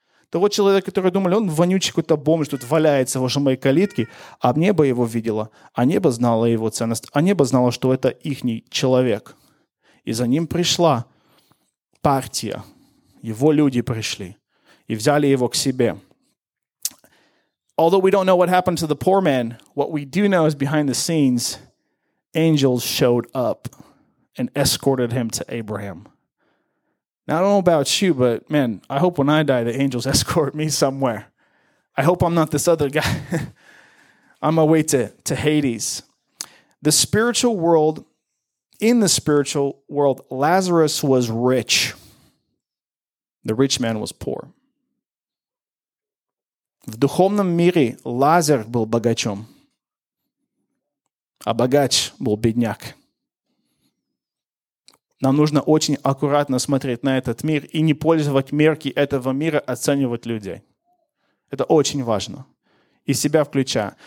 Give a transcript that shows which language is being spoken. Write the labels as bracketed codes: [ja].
[ru] Того человека, который думал, он вонючий какой-то бомж, тут валяется возле моей калитки, а небо его видело, а небо знало его ценность, а небо знало, что это ихний человек. И за ним пришла партия, его люди пришли и взяли его к себе. [en] Although we don't know what happened to the poor man, what we do know is behind the scenes, angels showed up and escorted him to Abraham. Now, I don't know about you, but man, I hope when I die, the angels escort me somewhere. I hope I'm not this other guy. I'm on my way to Hades. The spiritual world, in the spiritual world, Lazarus was rich. The rich man was poor. [ru] В духовном мире Лазарь был богачом, а богач был бедняк. Нам нужно очень аккуратно смотреть на этот мир и не пользовать мерки этого мира, оценивать людей. Это очень важно. И себя включая.